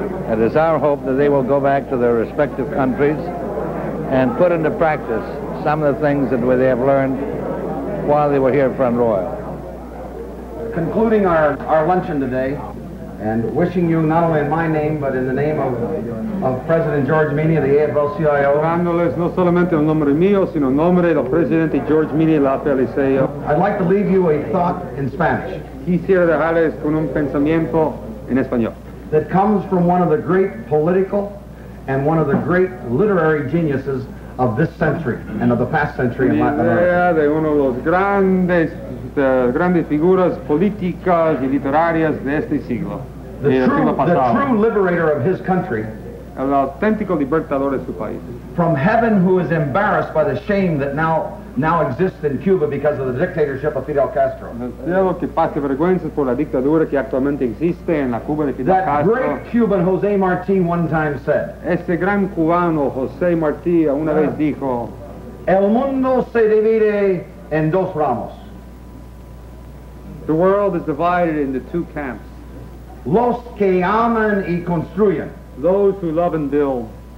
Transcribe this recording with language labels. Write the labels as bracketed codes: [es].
[en] It is our hope that they will go back to their respective countries and put into practice some of the things that they have learned while they were here at Front Royal. Concluding our luncheon today, and wishing you, not only in my name, but in the name of President George Meany of the AFL-CIO, [es] honorables, no solamente en nombre mío, sino en nombre del presidente George Meany de la AFL-CIO, [en] I'd like to leave you a thought in Spanish. [es] Quisiera dejarles con un pensamiento en español. [en] That comes from one of the great political and one of the great literary geniuses of this century and of the past century in Latin America. [es] Idea de uno de los grandes grandes figuras políticas y literarias de este siglo. [en] The true liberator of his country. [es] El auténtico libertador de su país. [en] From heaven, who is embarrassed by the shame that now exists in Cuba because of the dictatorship of Fidel Castro. [es] Cielo, que pase vergüenza por la dictadura que actualmente existe en la Cuba de Fidel [en] that Castro. That great Cuban José Martí one time said. [es] Ese gran cubano José Martí una vez dijo. El mundo se divide en dos ramos. [en] The world is divided into two camps. [es] Los que aman y construyen. [en] Those who love and build.